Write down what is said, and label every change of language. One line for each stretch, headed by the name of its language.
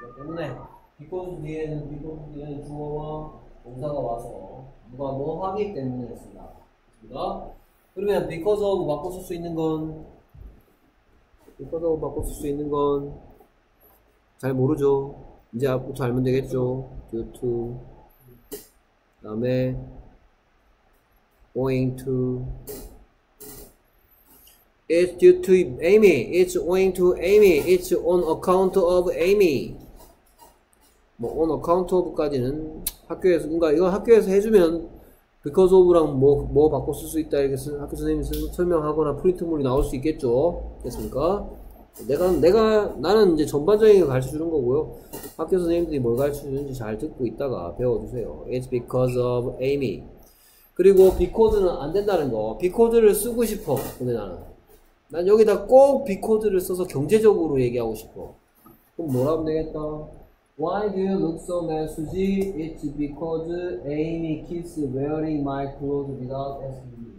Korean: 때문에 because 뒤에는 because 뒤에는 주어와 동사가 와서 누가 뭐 하기 때문이었습니다. 그렇습니다. 그러면 because of 바꿔 쓸 수 있는 건 because of 바꿔 쓸 수 있는 건 잘 모르죠. 이제 앞부터 알면 되겠죠.
English: due to 다음에 owing to it's due to Amy. It's owing to Amy. It's on account of Amy.
Korean: 뭐 on account of까지는 학교에서 뭔가 이거 학교에서 해주면 because of랑 뭐 바꿔 쓸 수 있다 이렇게 학교 선생님이 설명하거나 프린트물이 나올 수 있겠죠. 됐습니까? 나는 이제 전반적인 걸 가르쳐 주는 거고요. 학교 선생님들이 뭘 가르쳐 주는지 잘 듣고 있다가 배워주세요.
English: It's because of Amy.
Korean: 그리고 B코드는 안 된다는 거. B코드를 쓰고 싶어. 근데 나는. 난 여기다 꼭 B코드를 써서 경제적으로 얘기하고 싶어. 그럼 뭐라 하면 되겠다.
English: Why do you look so mad, Suji? It's because Amy keeps wearing my clothes without asking me.